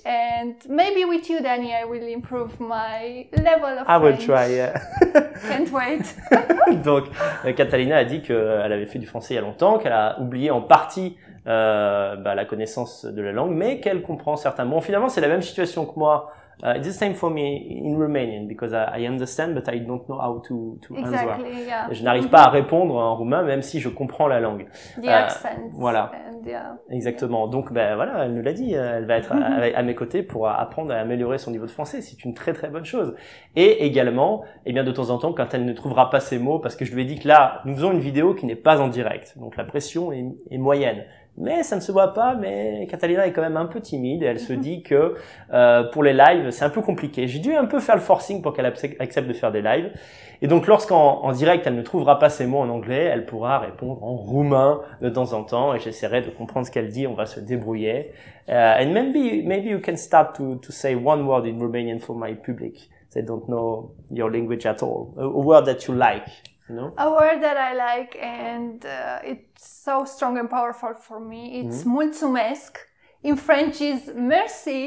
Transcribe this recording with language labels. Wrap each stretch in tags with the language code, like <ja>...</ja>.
<en>And maybe with you, Danny, I will improve my level of French. I will try. Yeah. Can't wait.</en> <fr>Donc, Catalina a dit qu'elle avait fait du français il y a longtemps, qu'elle a oublié en partie la connaissance de la langue, mais qu'elle comprend certains mots. Finalement, c'est la même situation que moi.</fr> <en>It's the same for me in Romanian because I understand, but I don't know how to exactly, answer. Exactly. Yeah.</en> <fr>Je n'arrive pas à répondre en roumain, même si je comprends la langue.</fr> <en>The accent.</en> <fr>Voilà.</fr> <en>And yeah.</en> <fr>Exactement.</fr> <en>Yeah.</en> <fr>Donc, ben voilà, elle nous l'a dit. Elle va être à mes côtés pour apprendre à améliorer son niveau de français. C'est une très très bonne chose. Et également, eh bien de temps en temps, quand elle ne trouvera pas ses mots, parce que je lui ai dit que là, nous faisons une vidéo qui n'est pas en direct, donc la pression est moyenne. Mais ça ne se voit pas, mais Catalina est quand même un peu timide et elle se dit que pour les lives, c'est un peu compliqué. J'ai dû un peu faire le forcing pour qu'elle accepte de faire des lives. Et donc, lorsqu'en direct, elle ne trouvera pas ses mots en anglais, elle pourra répondre en roumain de temps en temps et j'essaierai de comprendre ce qu'elle dit. On va se débrouiller.</fr> <en>And maybe you can start to say one word in Romanian for my public. They don't know your language at all. A word that you like. No? A word that I like and it's so strong and powerful for me. It's mulțumesc. In French is merci.</en>